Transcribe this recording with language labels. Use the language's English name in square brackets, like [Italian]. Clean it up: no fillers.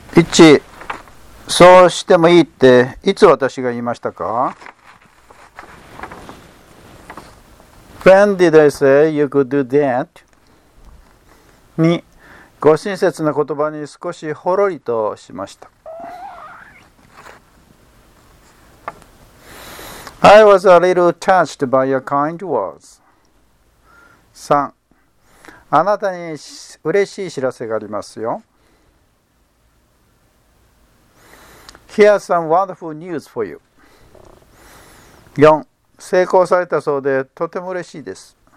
[Japanese] 一致そうしてもいいっていつ私が言いましたか？ [English] When did I say you could do that? [Japanese] 二、ご親切な言葉に少しほろりとしました。 [English] I was a little touched by your kind words。 [Japanese] 三、あなたに嬉しい知らせがありますよ。 [English] Here's some wonderful news for you. 4. [Japanese] 成功されたそうでとても嬉しいです。